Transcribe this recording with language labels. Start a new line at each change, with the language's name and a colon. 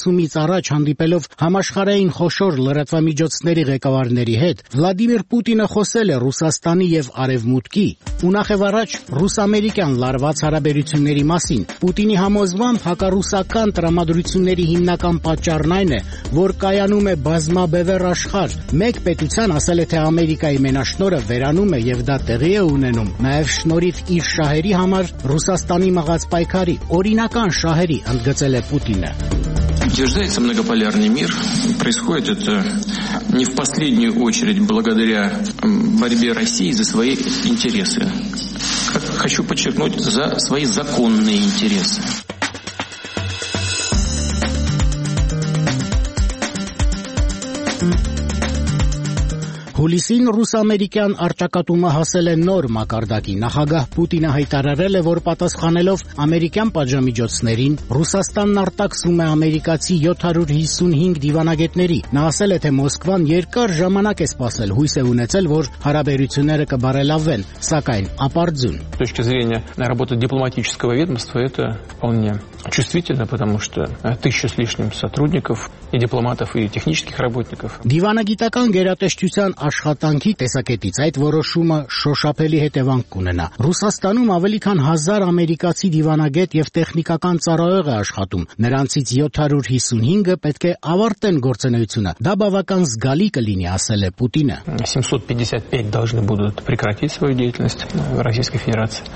Armenian: մից առաջ հանդիպելով համաշխարհային խոշոր լրատվամիջոցների ղեկավարների հետ Վլադիմիր Պուտինը խոսել է Ռուսաստանի եւ Արևմուտքի ու նախև առաջ ռուս-ամերիկյան լարված հարաբերությունների մասին։ Պուտինի համոզմամբ հակառուսական տրամադրությունների հիմնական պատճառն այն է, որ կայանում է բազմաբևեռ աշխարհ։ Մեկ պետության, ասել է, թե Ամերիկայի մենաշնորը վերանում է եւ դա տեղի է ունենում նաեւ շնորհիվ իր շահերի համար Ռուսաստանի մղած պայքարի, օրինական շահերի, ընդգծել է Պուտինը։
Russian: Утверждается многополярный мир. Происходит это не в последнюю очередь благодаря борьбе России за свои интересы. Хочу подчеркнуть, за свои законные интересы.
Armenian: Հուլիսին ռուս-ամերիկյան արճակատումը հասել է նոր մակարդակի։ Նախագահ Պուտինը հայտարարել է, որ պատասխանելով ամերիկյան պատժամիջոցներին, Ռուսաստանն արտաքսում է ամերիկացի 755 դիվանագետների։ Նա ասել է, թե Մոսկվան երկար ժամանակ է սպասել, հույս է ունեցել, որ հարաբերությունները կբարելավեն, սակայն ապարդյուն։
Russian: С точки зрения работы дипломатического ведомства это вполне чувствительно, потому что 1000 с лишним сотрудников и дипломатов и технических работников.
Armenian: Դիվանագիտական գերատեսչության աշխատանքի տեսակետից այդ որոշումը շոշափելի հետևանք կունենա։ Ռուսաստանում ավելի քան 1000 ամերիկացի դիվանագետ եւ տեխնիկական ծառայող է աշխատում, նրանցից 755-ը պետք է ավարտեն գործունեությունը։ Դա բավական զգալի կլինի, ասել է Պուտինը։
Russian: 755 должны будут прекратить свою деятельность в Российской Федерации.